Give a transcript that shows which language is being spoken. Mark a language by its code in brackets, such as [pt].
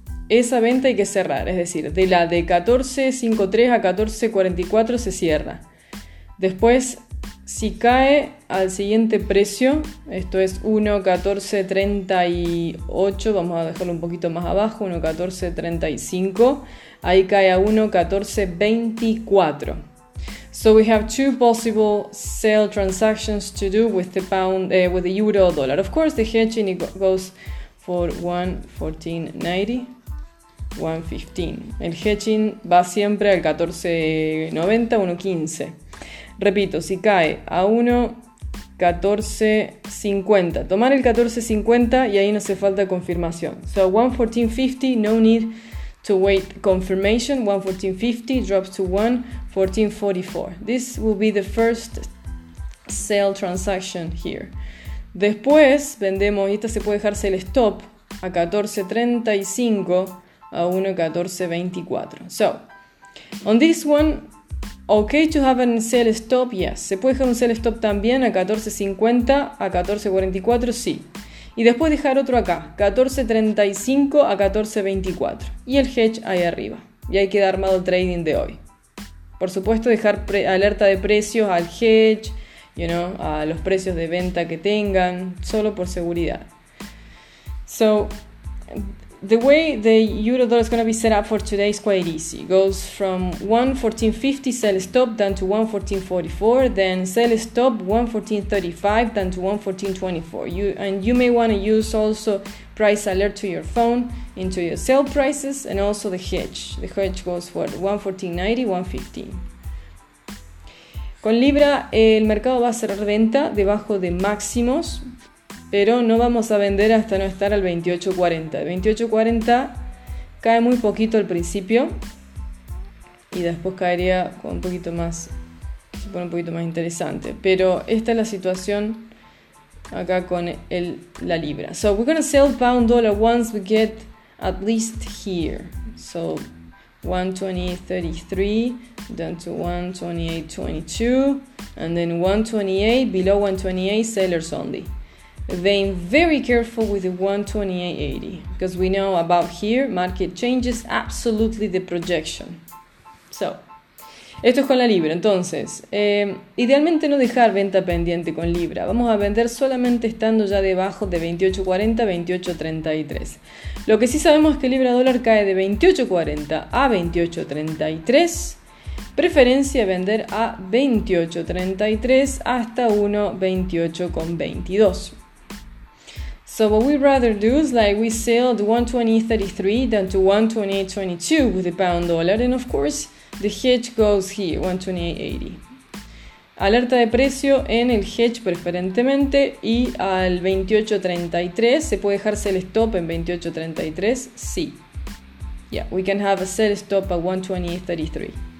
[es] Esa venta hay que cerrar, es decir, de la de 14.53 a 14.44 se cierra. Después, si cae al siguiente precio, esto es 1.1438, vamos a dejarlo un poquito más abajo, 1.1435, ahí cae a 1.1424. [en] So we have two possible sale transactions to do with the pound, with the euro dollar. Of course, the hedging it goes for 1.1490. 1.15. [es] El hedging va siempre al 14.90, 1.15. Repito, si cae a 1.1450, tomar el 14.50 y ahí no hace falta confirmación. [en] So 1.1450, no need to wait confirmation. 1.1450 drops to 1.1444. This will be the first sale transaction here. [es] Después vendemos, y esta se puede dejarse el stop a 14.35. [en] A 1.1424. So, on this one, okay to have a sell stop, yes. [es] Se puede dejar un sell stop también a 14.50, a 14.44, sí. Y después dejar otro acá, 14.35 a 14.24. Y el hedge ahí arriba. Y ahí queda armado el trading de hoy. Por supuesto, dejar alerta de precios al hedge, [en] you know, [es] a los precios de venta que tengan, solo por seguridad. [en] So, the way the euro dollar is going to be set up for today is quite easy. It goes from 1.1450 sell stop down to 1.1444, then sell stop 1.1435 down to 1.1424. You may want to use also price alert to your phone into your sell prices and also the hedge. The hedge goes for 1.1490, 1.15. [es] Con Libra, el mercado va a cerrar venta debajo de máximos. Pero no vamos a vender hasta no estar al 28.40. 28.40 cae muy poquito al principio y después caería con un poquito más, se pone un poquito más interesante. Pero esta es la situación acá con la libra. [en] So we're gonna sell pound dollar once we get at least here. So 1.2833 down to 1.2822 and then 1.28 below 1.28 sellers only. Being very careful with the 1.2880 because we know about here market changes absolutely the projection. [es] So, esto es con la libra. Entonces, idealmente no dejar venta pendiente con libra. Vamos a vender solamente estando ya debajo de 28.40, 28.33. Lo que sí sabemos es que libra dólar cae de 28.40 a 28.33. Preferencia vender a 28.33 hasta 1.28.22. [en] So what we'd rather do is like we sell the 1.2833 down to 1.2822 with the pound dollar. And of course, the hedge goes here, 1.2880. [es] Alerta de precio en el hedge preferentemente y al 28.33. ¿Se puede dejarse el stop en 28.33? Sí. [en] Yeah, we can have a sell stop at 1.2833.